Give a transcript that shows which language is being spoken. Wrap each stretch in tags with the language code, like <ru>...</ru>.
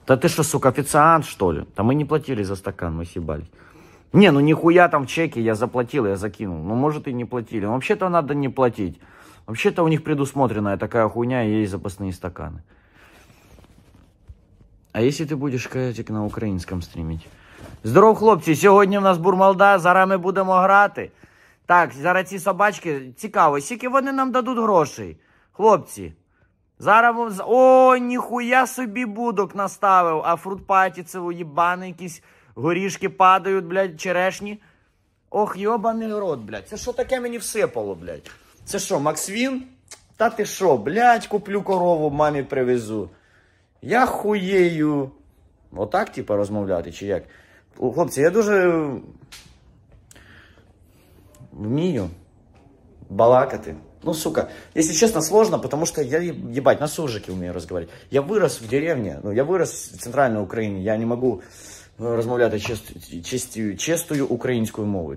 <ru>Да ты что, сука, официант, что ли? Да мы не платили за стакан, мы съебались. Не, ну нихуя там в чеке, я заплатил, я закинул. Ну, может, и не платили. Вообще-то надо не платить. Вообще-то у них предусмотренная такая хуйня, и есть запасные стаканы. А если ты будешь каэтик на украинском стримить?</ru> <uk>Здорово, хлопці, сьогодні в нас бурмалда, зараз ми будемо грати. Так, зараз ці собачки, цікаво, скільки вони нам дадуть грошей? Хлопці, зараз... О, ніхуя собі будок наставив, а фрутпаті це уєбаний, якісь горішки падають, блядь, черешні. Ох, йобаний рот, блядь, це що таке мені всипало, блядь? Це що, Максвін? Та ти що, блядь, куплю корову, мамі привезу. Я хуєю. Отак, типа, розмовляти, чи як? Хлопці, я дуже вмію балакати.</uk> <ru>Ну, сука, если честно, сложно, потому что я, ебать, на суржике умею разговаривать. Я вырос в деревне, ну, я вырос в центральной Украине, я не могу</ru> <uk>розмовляти чистую українською мовою.</uk>